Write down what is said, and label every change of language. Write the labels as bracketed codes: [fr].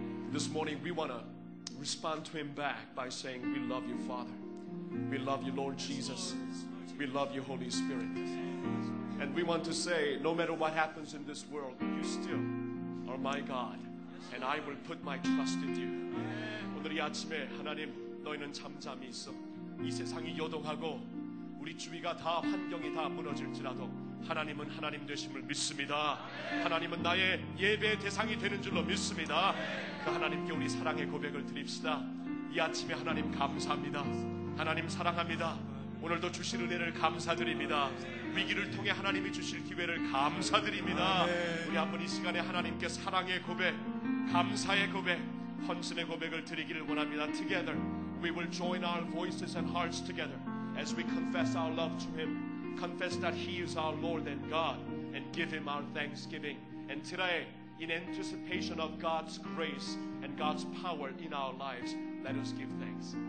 [en] This morning we want to respond to Him back by saying, we love you, Father. We love you, Lord Jesus. We love you, Holy Spirit. And we want to say, no matter what happens in this world, you still are my God. And I will put my trust in you. [ko] 오늘 이 아침에 하나님 너희는 잠잠히 있어. 이 세상이 요동하고 우리 주위가 다 환경이 다 무너질지라도 하나님은 하나님 되심을 믿습니다. 하나님은 나의 예배의 대상이 되는 줄로 믿습니다. 그 하나님께 우리 사랑의 고백을 드립시다. 이 아침에 하나님 감사합니다. 하나님 사랑합니다. 오늘도 주신 은혜를 감사드립니다. 위기를 통해 하나님이 주실 기회를 감사드립니다. 우리 한번 이 시간에 하나님께 사랑의 고백, 감사의 고백, 헌신의 고백을 드리기를 원합니다. [en] Together we will join our voices and hearts together as we confess our love to Him. Confess that He is our Lord and God and give Him our thanksgiving. And today, in anticipation of God's grace and God's power in our lives, let us give thanks.